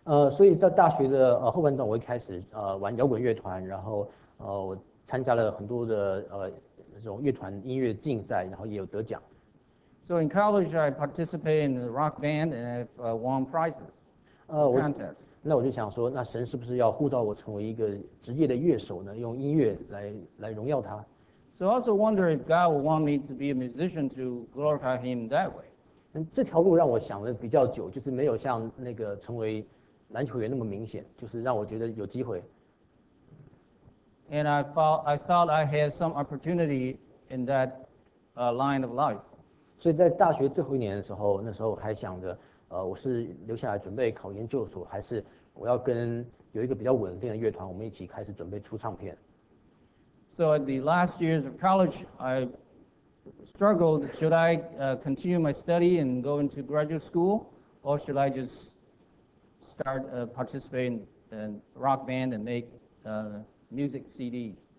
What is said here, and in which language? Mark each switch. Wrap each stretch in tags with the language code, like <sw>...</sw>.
<zh>所以在大学的后半段，我一开始玩摇滚乐团，然后我参加了很多的这种乐团音乐竞赛，然后也有得奖。</zh> <en>So in college, I participated in the rock band and I've won prizes. Contest.</en> <zh>那我就想说，那神是不是要呼召我成为一个职业的乐手呢？用音乐来荣耀他。</zh> <en>So I also wonder if God would want me to be a musician to glorify Him that way.</en> <zh>这条路让我想了比较久，就是没有像那个成为篮球员那么明显，就是让我觉得有机会。</zh> <en>And I thought I had some opportunity in that line of life.</en> <zh>所以在大学最后一年的时候，那时候还想着，我是留下来准备考研究所，还是我要跟有一个比较稳定的乐团，我们一起开始准备出唱片。</zh> <en>So at the last years of college, I struggled. Should I continue my study and go into graduate school, or should I just start participating in rock band and make music CDs.</en>